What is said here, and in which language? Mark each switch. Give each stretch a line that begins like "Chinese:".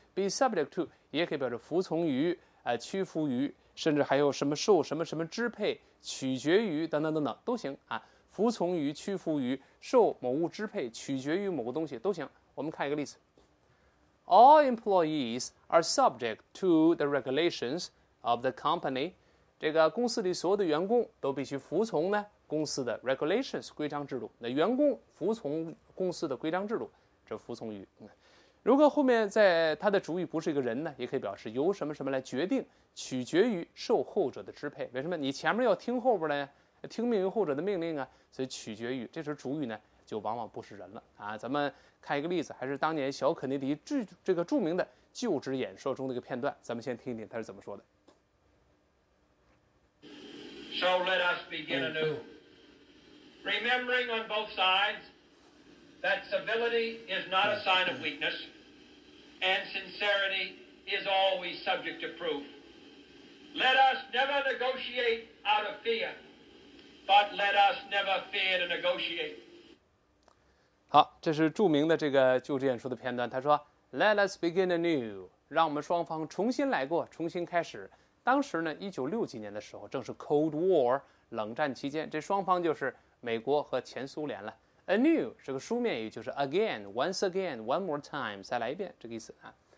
Chinese: Be subject to 也可以表示服从于，屈服于，甚至还有什么受什么什么支配，取决于等等等等都行啊。服从于、屈服于、受某物支配、取决于某个东西都行。我们看一个例子
English: ：All employees are subject to the regulations of the company。
Chinese: 这个公司里所有的员工都必须服从呢。公司的 regulations 规章制度，那员工服从公司的规章制度，这服从于，如果后面在他的主语不是一个人呢，也可以表示由什么什么来决定，取决于受后者的支配。为什么？你前面要听后边的，听命于后者的命令啊，所以取决于，这时候主语呢就往往不是人了啊。咱们看一个例子，还是当年小肯尼迪这个著名的就职演说中的一个片段，咱们先听一听他是怎么说的。
English: So let us begin anew. Remembering on both sides that civility is not a sign of weakness and sincerity is always subject to proof. Let us never negotiate out of fear, but let us never fear to negotiate.
Chinese: 好，这是著名的这个就职演说的片段。他说 ,
English: Let us begin anew,
Chinese: 让我们双方重新来过，重新开始。当时呢 ,1960 年的时候正是 Cold War, 冷战期间，这双方就是美国和前苏联了。 anew 是个书面语，就是 again,
English: once again, one more time,
Chinese: 再来一遍这个意思啊。